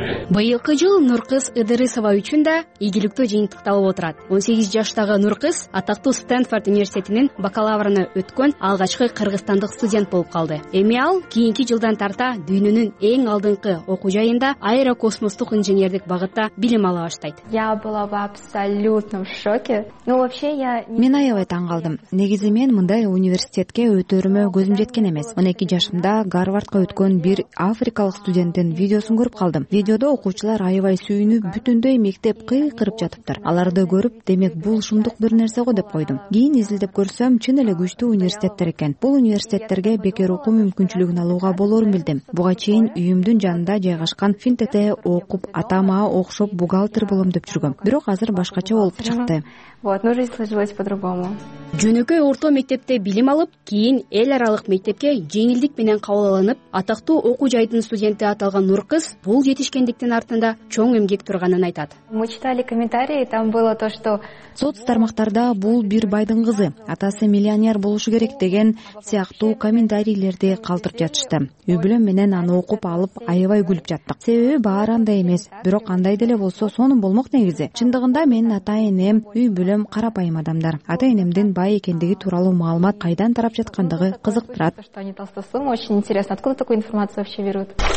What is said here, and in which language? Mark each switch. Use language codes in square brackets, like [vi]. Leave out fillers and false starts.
[ky] Быйылкы жыл Нуркыз Идрисова үчүн да ийгиликтүү жыйынтыкталып отурат. 18 жаштагы Нуркыз атактуу Стэнфорд университетинин бакалаврына өткөн алгачкы кыргызстандык студент болуп калды. Эми ал кийинки жылдан тарта дүйнөнүн эң алдыңкы окуу жайында аэрокосмостук инженердик багытта билим ала баштайт. [ru] Я была в абсолютном шоке. Ну вообще я [ky] Мен аябай таң калдым. Негизи мен мындай университетке өтөрүмө көзүм жеткен эмес. 12 жашымда Гарвардка өткөн бир африкалык студенттин видеосун көрүп калдым. Видеодо окуучулар аябай сүйүнүп, бүтүндөй мектеп кыйкырып жатыптыр. Аларды көрүп, демек бул шумдук бир нерсе го деп койдум. Кийин изилдеп көрсөм, чын эле күчтүү университеттер экен. Бул университет терге бекер окуу мүмкүнчүлүгүн алууга болорун билдим. Буга чейин үйүмдүн жанында жайгашкан финтете окуп, атама окшоп бухгалтер болом деп жүргөм. Бирок азыр башкача болуп чыкты. [ru] Вот, но жизнь сложилась по-другому. [ky] Жөнөкөй орто мектепте билим алып, кийин эл аралык мектепке жеңилдик менен кабыл алынып, атактуу окуу жайдын студенти аталган Нуркыз бул жетишкендиктин артында чоң эмгек турат. турганын айтат. [ru] Мы читали комментарии, там было то, что [ky] соц тармактарда бул бир байдын кызы, атасы миллионер болушу керек деген сыяктуу комментарийлерди калтырып жатышты. Үй бүлөм менен аны окуп алып, аябай күлүп жаттык. Себеби баары андай эмес, бирок андай деле болсо сонун болмок негизи. Чындыгында менин ата-энем, үй бүлөм карапайым адамдар. Ата-энемдин бай экендиги тууралуу маалымат кайдан тарап жаткандыгы кызыктырат. [ru] Они толстосы, очень интересно, откуда такую информацию вообще берут?